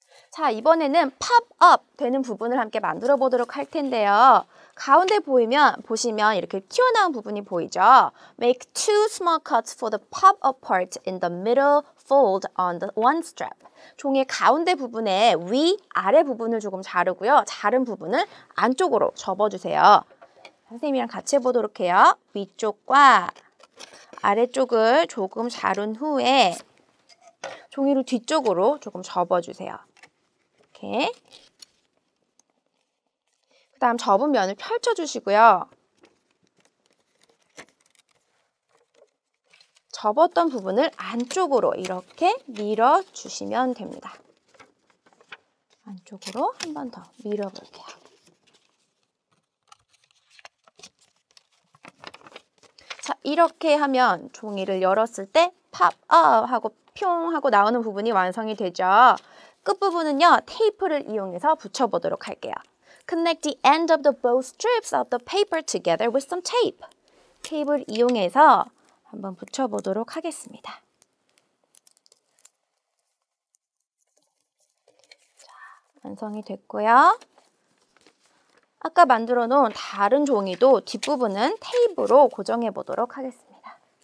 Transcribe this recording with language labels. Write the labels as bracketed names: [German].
[Korean] 자, 이번에는 팝업 되는 부분을 함께 만들어 보도록 할 텐데요. 가운데 보시면 이렇게 튀어나온 부분이 보이죠? [English] Make two small cuts for the pop-up part in the middle fold on the one strap. [Korean] 종이 가운데 부분에 위, 아래 부분을 조금 자르고요. 자른 부분을 안쪽으로 접어주세요. 선생님이랑 같이 해보도록 해요. 위쪽과 아래쪽을 조금 자른 후에 종이를 뒤쪽으로 조금 접어주세요. 이렇게. 그 다음 접은 면을 펼쳐주시고요. 접었던 부분을 안쪽으로 이렇게 밀어주시면 됩니다. 안쪽으로 한 번 더 밀어볼게요. 자, 이렇게 하면 종이를 열었을 때 pop up 하고 퐁 하고 나오는 부분이 완성이 되죠. 끝부분은요, 테이프를 이용해서 붙여보도록 할게요. [English] Connect the end of the bow strips of the paper together with some tape. [Korean] 테이프를 이용해서 한번 붙여보도록 하겠습니다. 자, 완성이 됐고요. 아까 만들어 놓은 다른 종이도 뒷부분은 테이프로 고정해 보도록 하겠습니다.